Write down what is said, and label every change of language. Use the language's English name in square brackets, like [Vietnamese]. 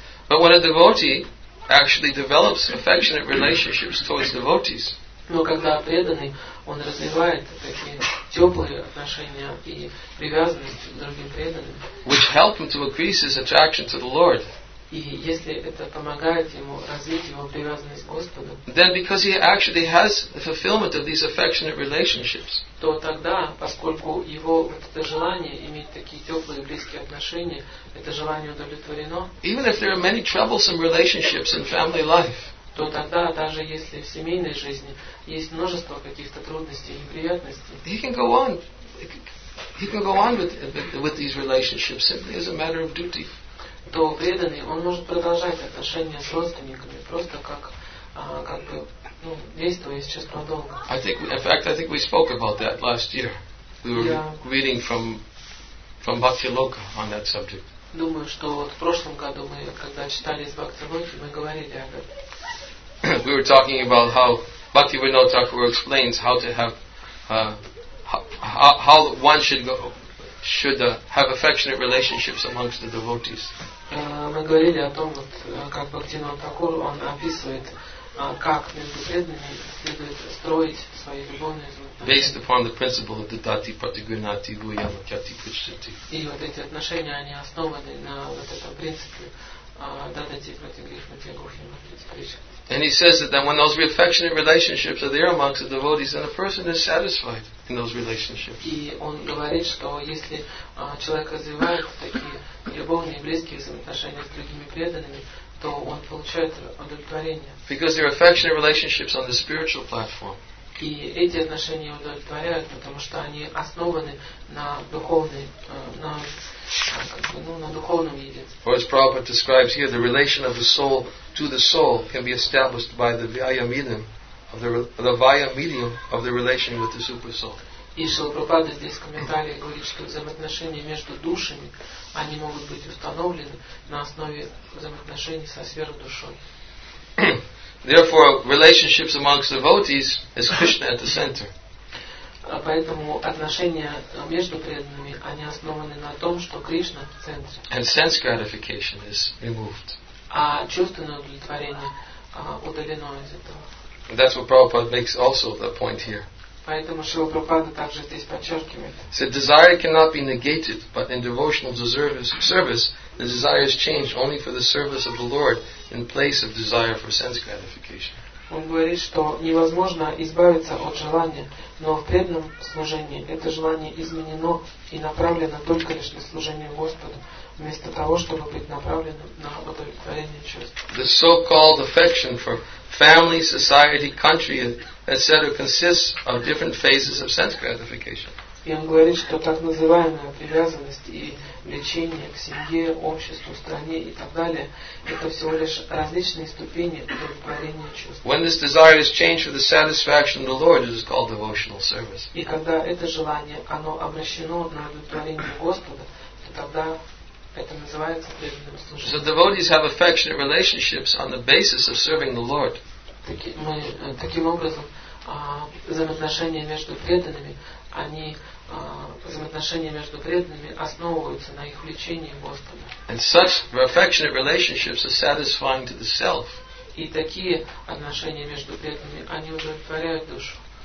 [English] But when a devotee actually develops affectionate relationships towards devotees. [Russian] Но когда преданный, он развивает такие теплые отношения и привязанность к другим преданным. [English] Which help him to increase his attraction to the Lord. [Russian] И если это помогает ему развить его привязанность к Господу. [English] Then because he actually has the fulfillment of these affectionate relationships. [Russian] То тогда, поскольку его вот это желание иметь такие теплые близкие отношения, это желание удовлетворено. [English] Even if there are many troublesome relationships in family life. [Russian] То тогда, даже если в семейной жизни есть множество каких-то трудностей и неприятностей. [English] He can go on. He can go on with these relationships simply as a matter of duty. [Russian] То преданный, он может продолжать отношения с родственниками просто как бы действуя из чувства долга. [English] I think, in fact, I think we spoke about that last year. We were reading from Bhakti Loka on that subject. [Russian] Думаю, что в прошлом году мы, когда читали из Бхакти Локи, мы говорили об этом. [English] We were talking about how Bhaktivinoda Thakur explains how to have how one should go should have affectionate relationships amongst the devotees. [Russian] Мы говорили о том, как Бхактивинода Такур он описывает, как между преданными следует строить свои любовные отношения. [English] Based upon the principle of [Sanskrit] Dadati Pratigunati Guyamakyati Pushati. [Russian] И вот эти отношения они основаны на вот этом принципе [Sanskrit] Dadati Pratigunati Guyamakyati. [English] And he says that when those affectionate relationships are there amongst the devotees, then a person is satisfied in those relationships. [Russian] И он говорит, что если человек развивает такие любовные близкие взаимоотношения с другими преданными, то он получает удовлетворение. [English] Because they're affectionate relationships on the spiritual platform. [Russian] И эти отношения удовлетворяют, потому что они основаны на духовной, на духовном единстве. [English] Or as Prabhupada describes here, the relation of the soul to the soul can be established by the vaya medium of the vaya medium of the relation with the super soul. [Russian] И Шрила Прабхупада здесь в комментарии говорит, что взаимоотношения между душами они могут быть установлены на основе взаимоотношений со сверхдушой. [English] Therefore, relationships amongst devotees is Krishna at the center. [Russian] Поэтому отношения между преданными они основаны на том, что Кришна в центре. [English] And sense gratification is removed. [Russian] А чувственное удовлетворение удалено из этого. [English] And that's what Prabhupada makes also the point here. [Russian] Поэтому Шрила Прабхупада также здесь подчеркивает. [English] So desire cannot be negated, but in devotional service, the desire is changed only for the service of the Lord in place of desire for sense gratification. [Russian] Он говорит, что невозможно избавиться от желания, но в преданном служении это желание изменено и направлено только лишь на служение Господу, вместо того, чтобы быть направленным на удовлетворение чувств. [English] The so-called affection for family, society, country, etc. consists of different phases of sense gratification. [Russian] И он говорит, что так называемая привязанность и влечение к семье, обществу, стране и так далее, это всего лишь различные ступени удовлетворения чувств. [English] When this desire is changed for the satisfaction of the Lord, it is called devotional service. [Russian] И когда это желание, оно обращено на удовлетворение Господа, то тогда это называется преданным служением. [English] So devotees have affectionate relationships on the basis of serving the Lord. [Russian] Таким образом, взаимоотношения между преданными они взаимоотношения между преданными основываются на их влечении Господа. [English] And such affectionate relationships are satisfying to the self. [Russian] И такие отношения между преданными они удовлетворяют душу.